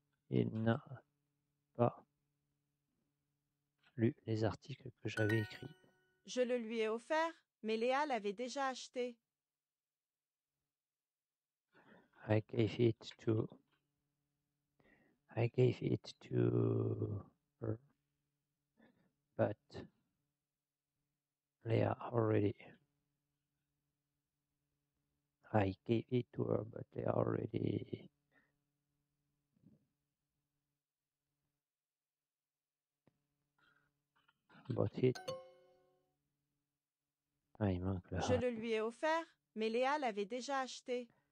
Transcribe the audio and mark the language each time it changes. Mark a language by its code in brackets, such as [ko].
[fr] Il n'a pas lu les articles que j'avais écrits. Je le lui ai offert, mais Léa l'avait déjà acheté. [en] I gave it to her, but Léa already. I gave it to her, but they already bought it. [fr] Ah, il manque la. Je le lui ai offert, mais Léa l'avait déjà acheté.